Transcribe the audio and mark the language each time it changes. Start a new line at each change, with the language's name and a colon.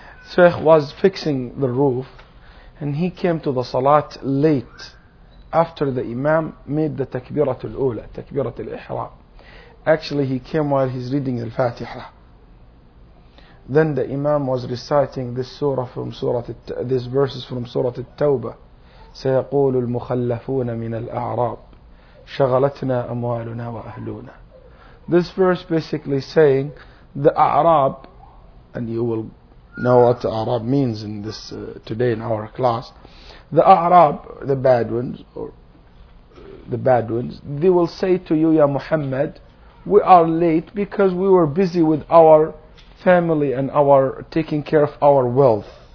English: Sheikh was fixing the roof, and he came to the Salat late, after the Imam made the Takbirat al-Ula, Takbirat al-Ihram. Actually, he came while he's reading al-Fatiha. Then the Imam was reciting this surah from Surah, these verses from Surah al-Tawbah.
Arabic: سيقول المخلفون من الأعراب شغلتنا أموالنا وأهلنا.
English: This verse basically saying the Arab, and you will know what Arab means in this today in our class. The Arab, the bad ones, or the bad ones, they will say to you, Ya Muhammad, we are late because we were busy with our family and our taking care of our wealth.